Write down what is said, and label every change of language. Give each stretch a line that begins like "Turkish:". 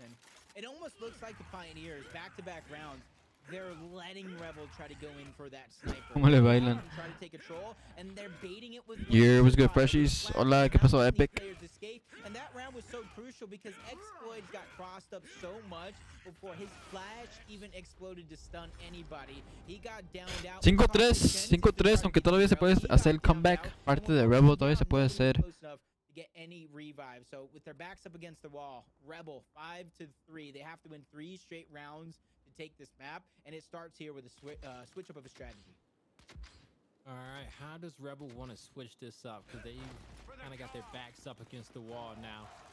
English: And it almost looks like the Pioneers, back-to-back rounds, they're letting Rebel try to go in for that sniper. Try to take control, and they're baiting it with... Here, what's good, freshies?
Spanish: Hola, ¿qué pasó,
English: Epic? And that round was so crucial because exploits got crossed up so much before his flash even exploded to stun anybody. He got downed out.
Spanish: 5-3, aunque todavía se puede hacer el comeback, parte de Rebel todavía se puede hacer.
English: Get any revive. So with their backs up against the wall, Rebel 5-3. They have to win 3 straight rounds to take this map, and it starts here with a switch up of a strategy. All right, how does Rebel want to switch this up? Because they kind of got their backs up against the wall now.